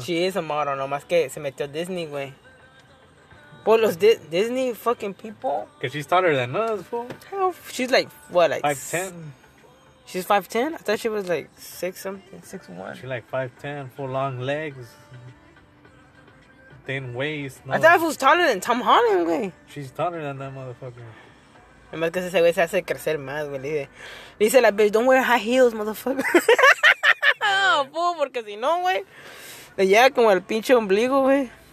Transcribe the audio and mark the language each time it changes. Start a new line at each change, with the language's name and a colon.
English: She is a model.
Spanish: No más que se metió Disney, way.
English: Well, those Disney fucking people. Because she's taller than us, fool. Hell, she's like, what, like... 5'10". She's 5'10"? I thought she was like 6-something, 6'1". She's like 5'10", full long legs, thin waist. No. I thought she was taller than Tom Holland, güey. She's taller than that motherfucker.
Spanish: Es más que ese güey se hace crecer más, güey. Dice la
English: bitch, don't wear high heels, motherfucker. Oh, fool,
Spanish: porque si no, güey, le llega como el pinche ombligo, güey.